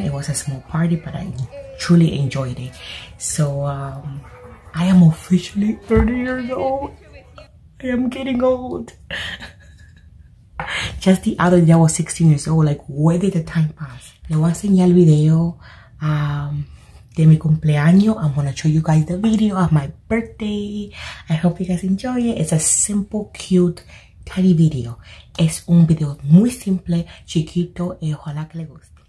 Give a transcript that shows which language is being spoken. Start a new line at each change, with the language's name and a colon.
English: It was a small party, but I truly enjoyed it. So, I am officially 30 years old. I am getting old. Just the other day, I was 16 years old. Like, where did the time pass?
Spanish: Le voy a enseñar el video de mi cumpleaños.
English: I'm going to show you guys the video of my birthday. I hope you guys enjoy it. It's a simple, cute, tiny video.
Spanish: Es un video muy simple, chiquito, y ojalá que le guste.